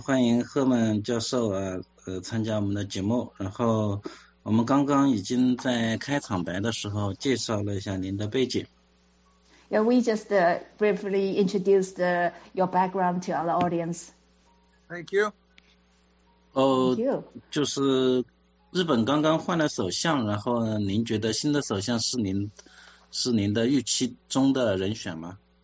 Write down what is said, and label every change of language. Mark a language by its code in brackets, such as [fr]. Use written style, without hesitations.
[zh] 欢迎赫曼教授啊，参加我们的节目。然后我们刚刚已经在开场白的时候介绍了一下您的背景。 [en] Yeah, we just briefly introduced your background to our audience. Thank you. Thank you. [zh] 就是日本刚刚换了首相，然后您觉得新的首相是您的预期中的人选吗？